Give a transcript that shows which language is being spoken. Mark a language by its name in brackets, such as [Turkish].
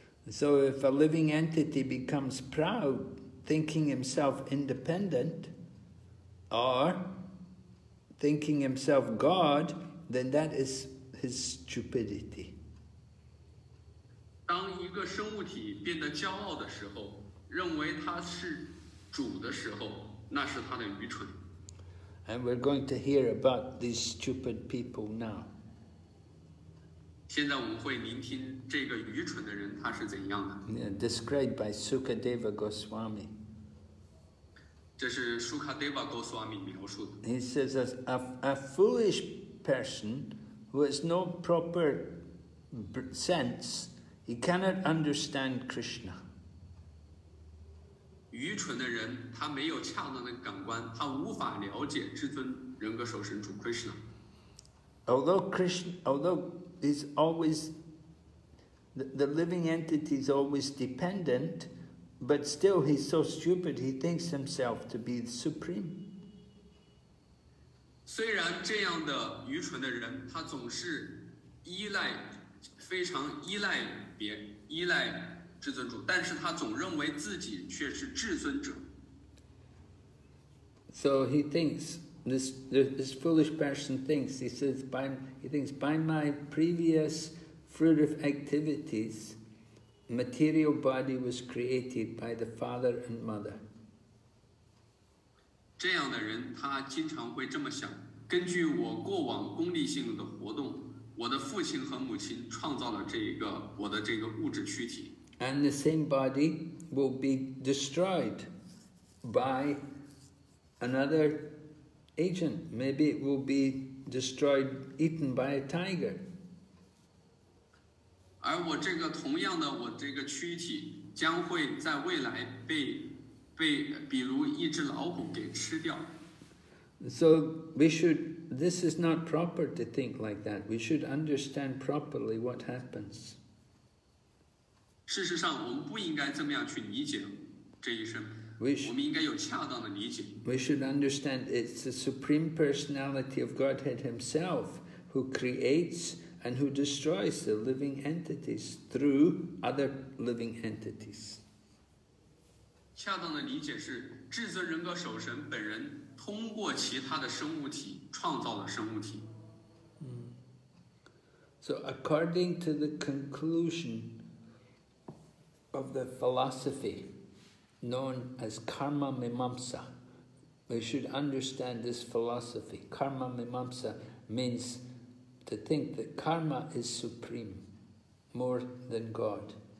[English] So if a living entity becomes proud, thinking himself independent, or thinking himself God, then that is his stupidity. [Chinese] 当一个生物体变得骄傲的时候, 认为他是主的时候, 那是他的愚蠢。 [English] And we're going to hear about these stupid people now. [Chinese] 现在我们会聆听这个愚蠢的人他是怎样的。 [English] Yeah, described by Sukadeva Goswami. [Chinese] 这是舒卡德瓦·戈斯瓦米描述的。 [English] He says, a foolish person Well, it's not proper sense. He cannot understand Krishna. [Chinese] 愚蠢的人，他没有恰当的感官，他无法了解至尊人格受身主 Krishna。 [English] Although is always the living entity is always dependent, but still he's so stupid he thinks himself to be the supreme. [Chinese] 虽然这样的愚蠢的人，他总是依赖，非常依赖别，依赖至尊主，但是他总认为自己却是至尊者。 [English] So he thinks. This foolish person thinks, he says, by my previous fruitive activities, material body was created by the father and mother. [Chinese] 这样的人他经常会这么想，根据我过往功利性的活动，我的父亲和母亲创造了我的这个物质躯体。 [English] And the same body will be destroyed by another... agent, maybe it will be destroyed, eaten by a tiger. [Chinese] 而我这个同样的我这个躯体将会在未来被比如一只老虎给吃掉。 [English] So we should, this is not proper to think like that. We should understand properly what happens. [Chinese] 事实上我们不应该这么样去理解这一生。 [English] We should understand it's the Supreme Personality of Godhead Himself who creates and who destroys the living entities through other living entities. [Chinese] 恰当的理解是至尊人格守神本人通过其他的生物体创造了生物体。 [English] So according to the conclusion of the philosophy,known as Karma Mimamsa. We should understand this philosophy. Karma Mimamsa means to think that karma is supreme, more than God.